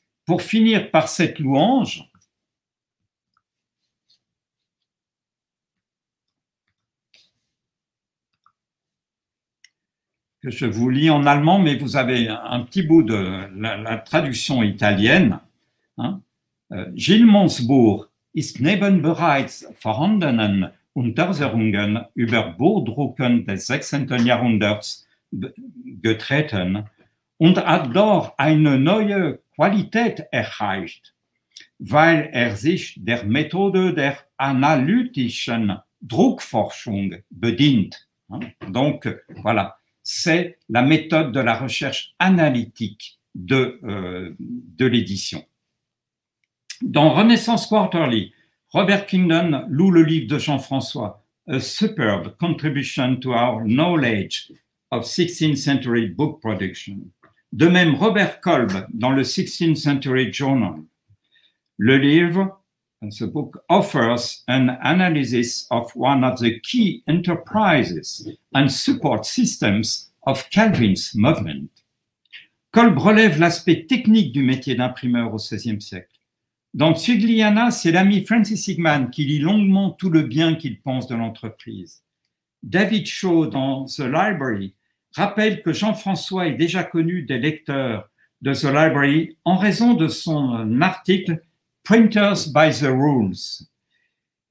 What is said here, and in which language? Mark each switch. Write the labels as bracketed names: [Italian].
[French] Pour finir par cette louange, que je vous lis en allemand, mais vous avez un petit bout de la traduction italienne. Hein? [German] Gilmonsbourg ist neben bereits vorhandenen Untersuchungen über Burgdrucken des 16. Jahrhunderts getreten und hat dort eine neue Qualität erreicht, weil sich der Methode der analytischen Druckforschung bedient. [French] Donc, voilà, c'est la méthode de la recherche analytique de l'édition. Dans Renaissance Quarterly, Robert Kingdon loue le livre de Jean-François, [English] A Superb Contribution to Our Knowledge of 16th Century Book Production. [French] De même, Robert Kolb dans le 16th Century Journal. Le livre, ce [English] book, offers an analysis of one of the key enterprises and support systems of Calvin's movement. [French] Kolb relève l'aspect technique du métier d'imprimeur au XVIe siècle. Dans Zwigliana, c'est l'ami Francis Higman qui lit longuement tout le bien qu'il pense de l'entreprise. David Shaw dans The Library rappelle que Jean-François est déjà connu des lecteurs de The Library en raison de son article « Printers by the Rules ».